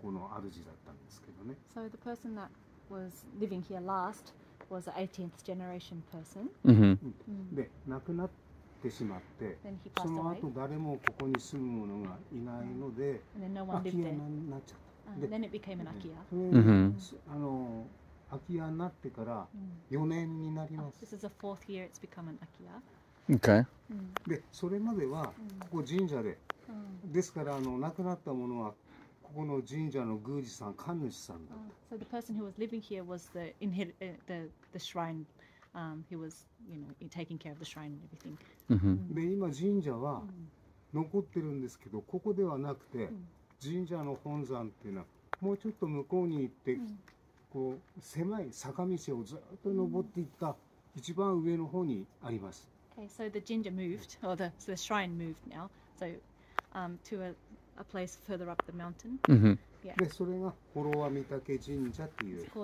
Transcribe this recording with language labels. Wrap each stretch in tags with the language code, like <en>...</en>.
<en>So the person that was living here last was an 18th generation person. Then he passed away.</en> <ja>その後誰もここに住む者がいないので、</ja> <en>And then no one lived there. Then it became an Akiya.</en> <ja>Akiya になってから4年になります。</ja> <en>This is the fourth year it's become an Akiya. Okay.</en> <ja>で、それまではここ神社で、ですから亡くなった者はここの神社の宮司さん、神主さんだった。</ja> <en>So the person who was living here was the the shrine. He was, you know, taking care of the shrine and everything.</en> <ja>で、今神社は残ってるんですけど、ここではなくて、神社の本山っていうのはもうちょっと向こうに行って、こう狭い坂道をずっと登っていった一番上の方にあります。</ja> <en>Okay, so the jinja moved, or the so the shrine moved now. So, to a place further up the mountain.</en> <ja>で、それがホロワミタケ神社っていう。</ja>